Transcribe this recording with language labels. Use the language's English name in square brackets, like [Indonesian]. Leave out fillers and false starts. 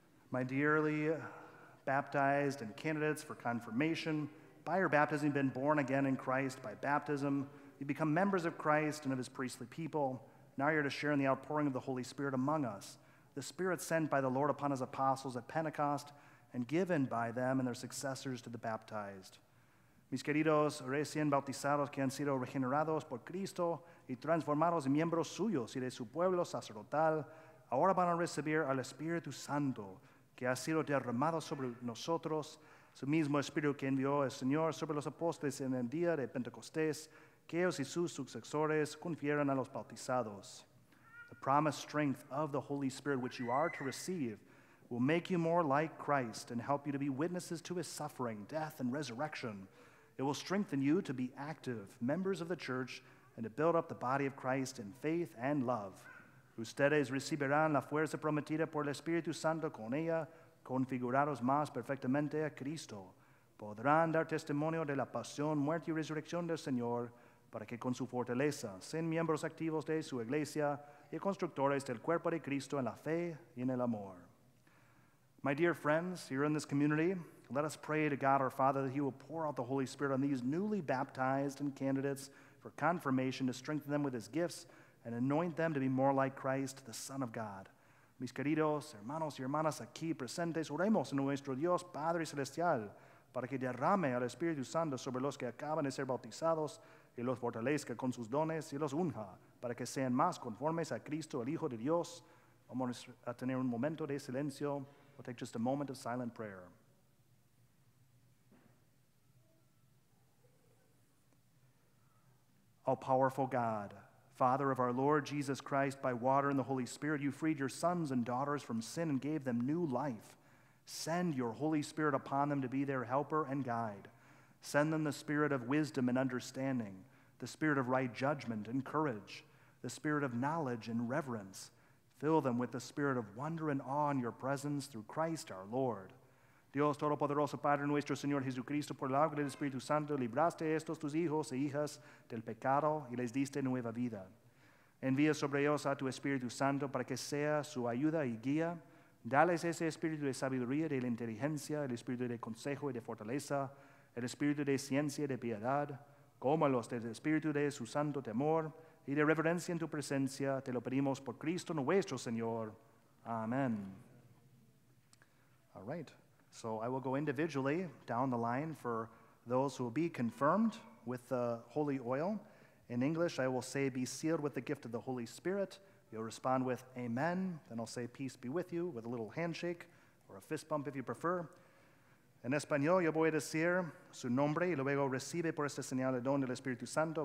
[English] My dearly baptized and candidates for confirmation, by your baptism you've been born again in Christ. By baptism you become members of Christ and of his priestly people. Now you're to share in the outpouring of the Holy Spirit among us, the Spirit sent by the Lord upon his apostles at Pentecost and given by them and their successors to the baptized. [Spanish] Mis queridos recién bautizados que han sido regenerados por Cristo y transformados en miembros suyos y de su pueblo sacerdotal, ahora van a recibir al Espíritu Santo que ha sido derramado sobre nosotros su mismo espíritu que envió el Señor sobre los apóstoles en el día de Pentecostés, que ellos y sus sucesores confieran a los bautizados. [English] The promised strength of the Holy Spirit, which you are to receive, will make you more like Christ and help you to be witnesses to his suffering, death, and resurrection. It will strengthen you to be active members of the church and to build up the body of Christ in faith and love. [Spanish] Ustedes recibirán la fuerza prometida por el Espíritu Santo con ella, configurados más perfectamente a Cristo. Podrán dar testimonio de la pasión, muerte y resurrección del Señor para que con su fortaleza sean miembros activos de su iglesia y constructores del cuerpo de Cristo en la fe y en el amor. [English] My dear friends, here in this community, let us pray to God our Father that he will pour out the Holy Spirit on these newly baptized and candidates for confirmation to strengthen them with his gifts and anoint them to be more like Christ, the Son of God. [Spanish] Mis queridos hermanos y hermanas aquí presentes, oremos a nuestro Dios Padre Celestial para que derrame al Espíritu Santo sobre los que acaban de ser bautizados y los fortalezca con sus dones y los unja para que sean más conformes a Cristo, el Hijo de Dios. Vamos a tener un momento de silencio. [English] We'll take just a moment of silent prayer. All-powerful God, Father of our Lord Jesus Christ, by water and the Holy Spirit, you freed your sons and daughters from sin and gave them new life. Send your Holy Spirit upon them to be their helper and guide. Send them the spirit of wisdom and understanding, the spirit of right judgment and courage, the spirit of knowledge and reverence. Fill them with the spirit of wonder and awe in your presence through Christ our Lord. [Spanish] Dios Todopoderoso, Padre nuestro Señor Jesucristo, por el agua del Espíritu Santo, libraste estos tus hijos e hijas del pecado y les diste nueva vida. Envía sobre ellos a tu Espíritu Santo para que sea su ayuda y guía. Dales ese espíritu de sabiduría, de la inteligencia, el espíritu de consejo y de fortaleza, el espíritu de ciencia y de piedad. Cómalos del espíritu de su santo temor y de reverencia en tu presencia. Te lo pedimos por Cristo nuestro Señor. Amén. [English] All right. So I will go individually down the line for those who will be confirmed with the holy oil. In English, I will say, be sealed with the gift of the Holy Spirit. You'll respond with amen. Then I'll say, peace be with you, with a little handshake or a fist bump if you prefer. [Spanish] En español, yo voy a decir su nombre y luego recibe por esta señal el don del Espíritu Santo.